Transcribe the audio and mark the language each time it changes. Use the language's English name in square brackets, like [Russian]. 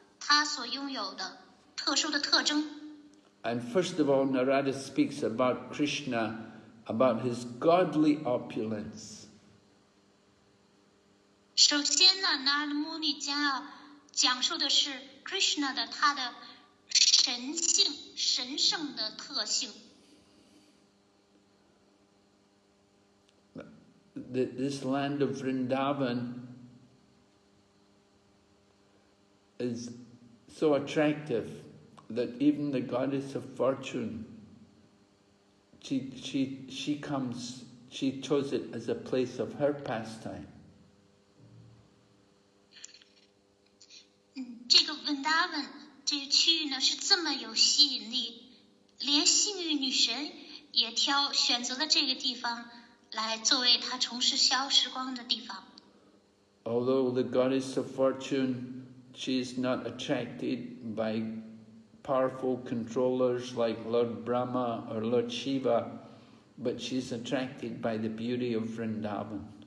[Chinese] 他所拥有的特殊的特征。 [English] And first of all, Narada speaks about Krishna, about his godly opulence. [Chinese] 首先呢 ，Narada Muni 将要讲述的是 Krishna 的他的神性、神圣的特性。 [English] This land of Vrindavan is so attractive that even the goddess of fortune, she chose it as a place of her pastime. [Chinese] 这个 Vrindavan 这个区域呢是这么有吸引力，连幸运女神也选择了这个地方来作为她从事逍遥时光的地方。 [English] Although the goddess of fortune, she is not attracted by powerful controllers like Lord Brahma or Lord Shiva, but she's attracted by the beauty of Vrindavan.